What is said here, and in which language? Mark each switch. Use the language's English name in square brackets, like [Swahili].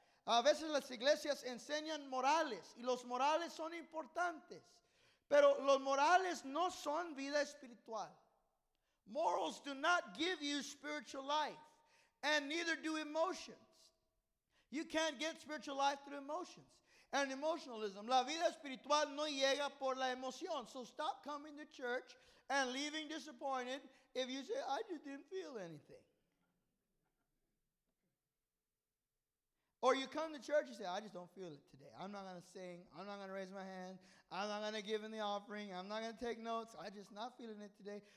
[Spanish] A veces las iglesias enseñan morales, y los morales son importantes. Pero los morales no son vida espiritual. [English] Morals do not give you spiritual life, and neither do emotions. You can't get spiritual life through emotions and emotionalism. [Spanish] La vida espiritual no llega por la emoción. [English] So stop coming to church and leaving disappointed if you say, I just didn't feel anything. Or you come to church and say, I just don't feel it today. I'm not going to sing. I'm not going to raise my hand. I'm not going to give in the offering. I'm not going to take notes. I'm just not feeling it today.